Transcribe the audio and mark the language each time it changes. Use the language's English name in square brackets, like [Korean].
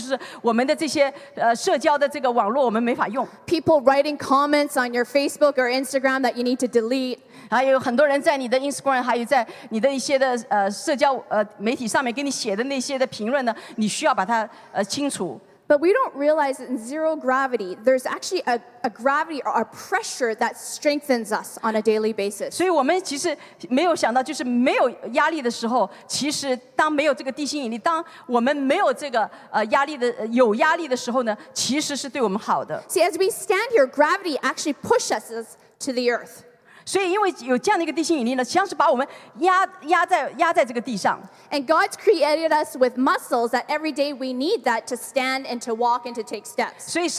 [Chinese] 在我们现在这个时代，所谓的这个逼迫，好像就是我们的这些社交的这个网络，我们没法用。 [English] People writing comments on your Facebook or Instagram that you need to delete. [Chinese] 还有很多人在你的 Instagram， 还有在你的一些的社交媒体上面给你写的那些的评论呢，你需要把它清除。 [English] But we don't realize that in zero gravity, there's actually a gravity or a pressure that strengthens us on a daily basis. [Chinese] 所以我们其实没有想到，就是没有压力的时候，其实当没有这个地心引力，当我们没有这个压力的有压力的时候呢，其实是对我们好的。 [English] See, as we stand here, gravity actually pushes us to the earth. [Chinese] 所以因为有这样的一个地心引力呢，实际上是把我们压在这个地上。 [English] And God's created us with muscles that every day we need that to stand and to walk and to take steps.